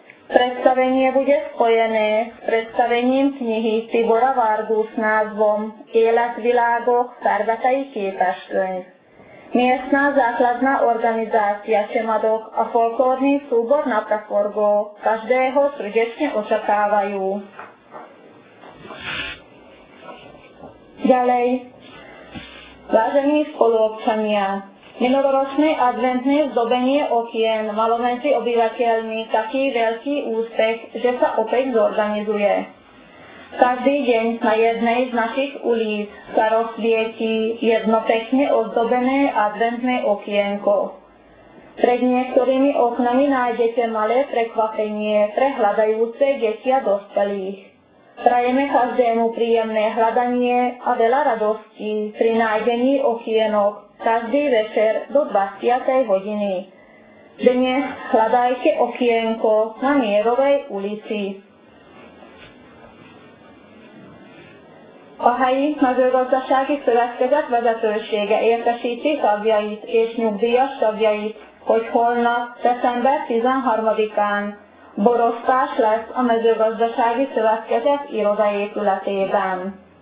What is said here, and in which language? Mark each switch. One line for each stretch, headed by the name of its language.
Slovak: Predstavenie bude spojené s predstavením knihy Tibora Vardu s názvom Élet világo szervetei képestőnk. Miestna základná organizácia Čemadok a folklórny súbor Napraforgó každého srdečne očakávajú. Ďalej, vážení spoluobčania, minuloročné adventné zdobenie okien malo medzi obyvateľmi taký veľký úspech, že sa opäť zorganizuje. Každý deň na jednej z našich ulíc sa rozsvietí jedno pekne ozdobené adventné okienko. Pred niektorými oknami nájdete malé prekvapenie pre hľadajúce deti a dospelých. Prajeme každému príjemné hľadanie a veľa radosti pri nájdení okienok každý večer do 20. hodiny. Dnes hľadajte okienko na Mierovej ulici.
Hungarian: A helyi mezőgazdasági szövetkezet vezetősége értesíti tagjait és nyugdíjas tagjait, hogy holnap, december 13-án borosztás lesz a mezőgazdasági szövetkezet irodaépületében.